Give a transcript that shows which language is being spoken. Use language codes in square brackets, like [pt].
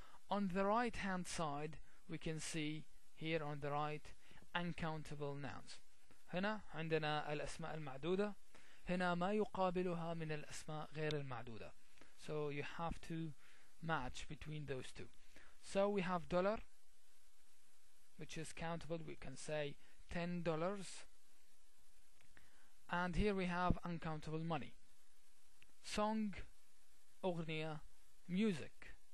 [en] On the right hand side we can see, here on the right, uncountable nouns. [ar] هنا عندنا الأسماء المعدودة. هنا ما يقابلها من الأسماء غير المعدودة. [en] So you have to match between those two. So we have dollar, which is countable. We can say $10. And here we have uncountable money. Song, أغنية, music.